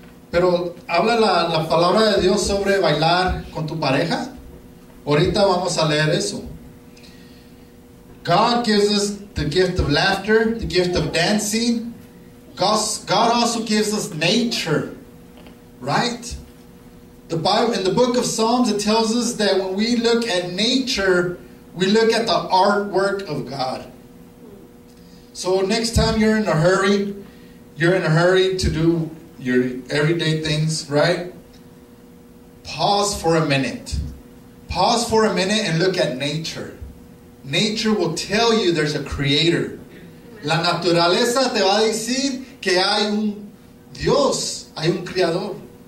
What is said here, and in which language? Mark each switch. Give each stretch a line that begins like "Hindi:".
Spanish: Pero habla la palabra de Dios sobre bailar con tu pareja. Ahorita vamos a leer eso.
English: God gives us the gift of laughter, the gift of dancing. God also gives us nature, right? The Bible, in the book of Psalms, it tells us that when we look at nature, we look at the artwork of God. So next time you're in a hurry to do your everyday things, right? Pause for a minute. Pause for a minute and look at nature. Nature will tell you there's a creator.
Spanish: La naturaleza te va a decir que hay un Dios, hay un creador.